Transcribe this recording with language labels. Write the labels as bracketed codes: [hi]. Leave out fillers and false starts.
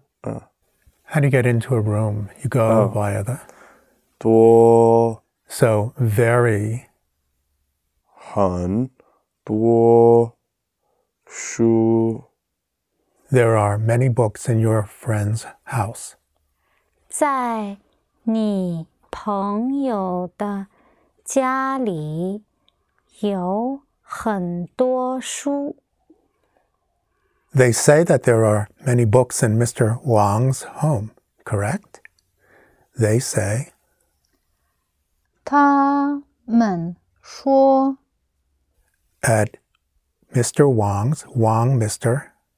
[en] How do you get into a room? You go via the [zh] 多 [en] So very [zh] 很多书 [en] There are many books in your friend's house. [zh] 在你朋友的家里有很多书 [en] They say that there are many books in Mr. Wang's home, correct? They say [zh] 他们说 [en] At Mr. Wang's, Wang Mr.